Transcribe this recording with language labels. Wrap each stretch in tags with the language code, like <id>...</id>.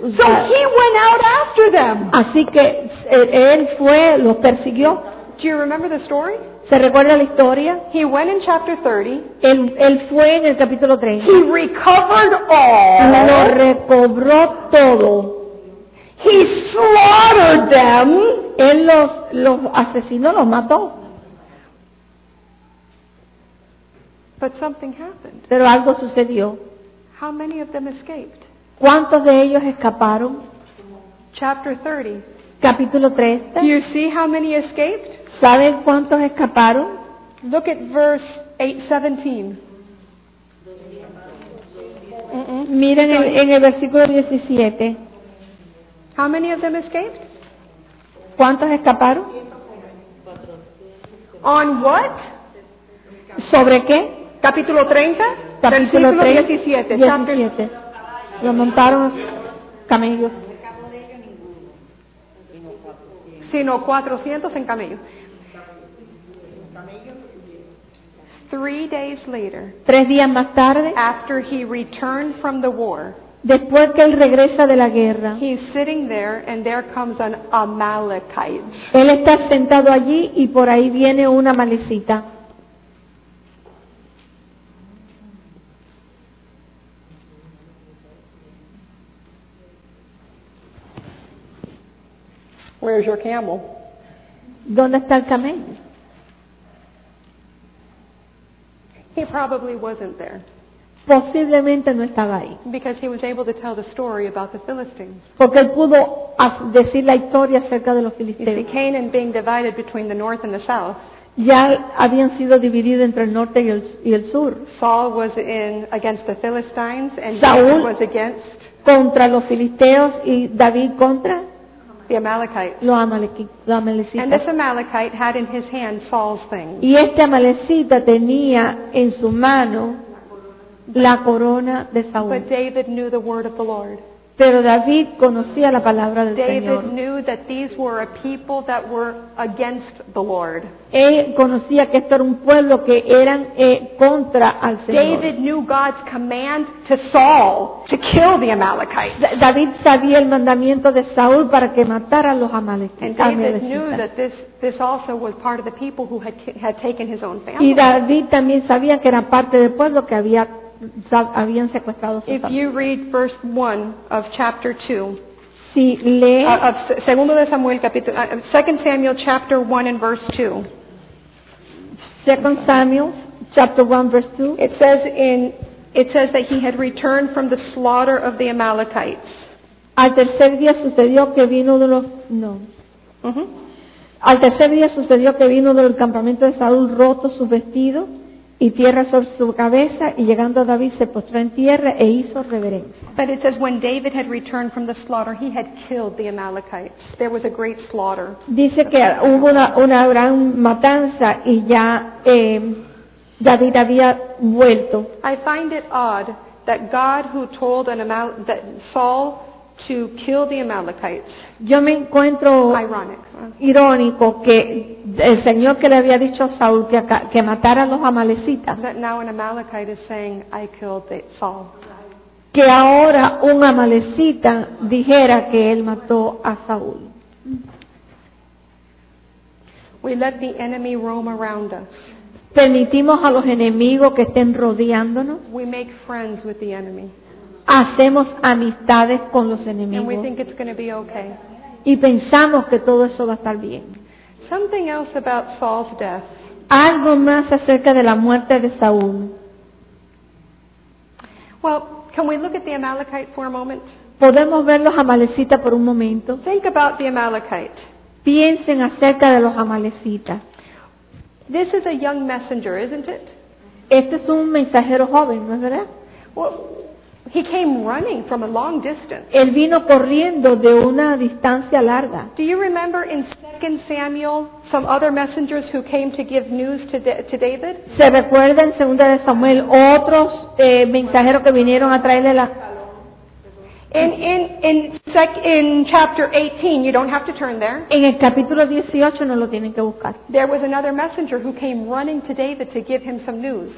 <en>So he went out after them.</en> <es>Así que él fue, los persiguió.</es> <en>Do you remember the story?</en> <es>¿Se recuerda la historia?</es> <en>He went in chapter 30.</en> <es>Él fue en el capítulo 30.</es> <en>He recovered all.</en> <es>Lo recobró todo.</es> <en>He slaughtered them.</en> <es>Él los asesinó, los mató.</es> <en>But something happened.</en> <es>Pero algo sucedió.</es> <en>How many of them escaped?</en> <es>¿Cuántos de ellos escaparon?</es> <en>Chapter 30.</en> <es>Capítulo 30.</es> <en>You see how many escaped?</en> <es>¿Saben cuántos escaparon?</es> <en>Look at verse 8:17.</en> <es>Miren en el versículo 17.</es> <en>How many of them escaped?</en> <es>¿Cuántos escaparon?</es> <en>¿On what?</en> <es>¿Sobre qué? Capítulo 30, capítulo 17. Lo montaron camellos. Sino 400 en camellos.</es> <en>3 days later.</en> <es>3 días más tarde.</es> <en>After he returned from the war.</en> <es>Después que él regresa de la guerra.</es> <en>He's sitting there, and there comes an Amalekite.</en> <es>Él está sentado allí y por ahí viene una malecita.</es> <en>Where's your camel?</en> <es>¿Dónde está el camello?</es> <en>He probably wasn't there.</en> <es>Posiblemente no estaba ahí.</es> <en>Because he was able to tell the story about the Philistines.</en> <es>Porque él pudo decir la historia acerca de los filisteos.</es> <en>You see, Canaan being divided between the north and the south.</en> <es>Ya habían sido divididos entre el norte y el sur.</es> <en>Saul was in against the Philistines, and David was against.</en> <es>Contra los filisteos y David contra.</es> <en>The Amalekites.</en> <es>Los amalecitas.</es> <en>And this Amalekite had in his hand Saul's thing.</en> <es>Y este amalecita tenía en su mano la corona de Saúl.</es> <en>But David knew the word of the Lord.</en> <es>Pero David conocía la palabra del</es> <en>David</en> <es>Señor.</es> <en>Knew that these were a people that were against the Lord.</en> <es>Él conocía que esto era un pueblo que eran contra al Señor.</es> <en>David knew God's command to Saul to kill the Amalekites.</en> <es>David sabía el mandamiento de Saúl para que matara a los amalecitas.</es> <en>And David knew that this also was part of the people who had taken his own family.</en> <es>Y David también sabía que era parte del pueblo que habían secuestrado a su</es> <en>If you read verse 1 of chapter 2,</en> <es>si lee</es> <en>of</en> <es>segundo de Samuel capítulo</es> <en>2 Samuel chapter 1 and verse 2. Second Samuel chapter 1 verse 2. It says that he had returned from the slaughter of the Amalekites.</en> <es>Al tercer día sucedió que vino de los no. Mm-hmm. Al tercer día sucedió que vino del campamento de Saúl roto su vestido y tierra sobre su cabeza, y llegando a David se postró en tierra e hizo reverencia.</es> <en>But it says when David had returned from the slaughter, he had killed the Amalekites. There was a great slaughter.</en> <es>Dice que hubo una gran matanza y ya David había vuelto.</es> <en>I find it odd that God who told that Saul to kill the Amalekites.</en> <es>Yo me encuentro irónico que el Señor que le había dicho a Saúl que matara a los amalecitas.</es> <en>That now an Amalekite is saying, I killed Saul.</en> <es>Que ahora un amalecita dijera que él mató a Saúl.</es> <en>We let the enemy roam around us.</en> <es>Permitimos a los enemigos que estén rodeándonos.</es> <en>We make friends with the enemy.</en> <es>Hacemos amistades con los enemigos.</es> <en>And we think it's going to be okay.</en> <es>Y pensamos que todo eso va a estar bien.</es> <en>Something else about Saul's death.</en> <es>Algo más acerca de la muerte de Saúl.</es> <en>Well, can we look at the Amalekite for a moment?</en> <es>¿Podemos ver los amalecitas por un momento?</es> <en>Think about the Amalekite.</en> <es>Piensen acerca de los amalecitas.</es> <en>This is a young messenger, isn't it?</en> <es>Este es un mensajero joven, ¿no es verdad?</es> <en>Well, he came running from a long distance.</en> <es>Él vino corriendo de una distancia larga.</es> <en>Do you remember in 2 Samuel some other messengers who came to give news to David?</en> <es>¿Se recuerda en 2 de Samuel otros mensajeros que vinieron a traerle la?</es> <en>In chapter 18, you don't have to turn there.</en> <es>En el capítulo 18 no lo tienen que buscar.</es> <en>There was another messenger who came running to David to give him some news.</en>